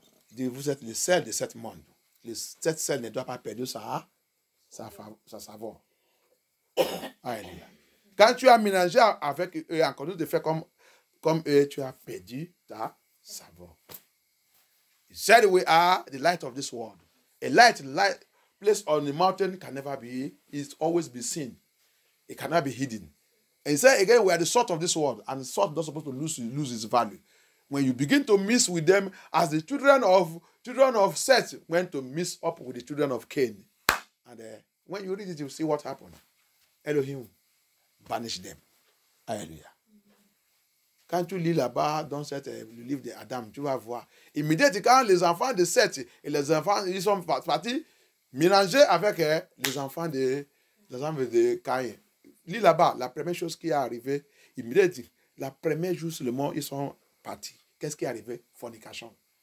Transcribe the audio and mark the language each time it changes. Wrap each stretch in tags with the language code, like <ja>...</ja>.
<fr>Il dit, vous êtes le sel de cet monde. Cette sel ne doit pas perdre sa savoir. Alléluia. Quand tu as ménagé avec eux, encore de faire comme eux, tu as perdu ta savoir.</fr> <en>He said, we are the light of this world. A light placed on the mountain can never be, it's always be seen. It cannot be hidden. And he said, again, we are the salt of this world. And salt is not supposed to lose its value. When you begin to mix with them as the children of Seth went to mix up with the children of Cain. And when you read it, you see what happened. Elohim banished them. Hallelujah.</en> <fr>Quand tu lis là-bas dans le livre d'Adam, tu vas voir. Immédiatement, quand les enfants de Seth et les enfants, ils sont partis mélanger avec les enfants de Caïn. Lis là-bas, la première chose qui est arrivée, immédiatement, la première jour seulement, ils sont partis. Qu'est-ce qui est arrivé? Fornication.</fr>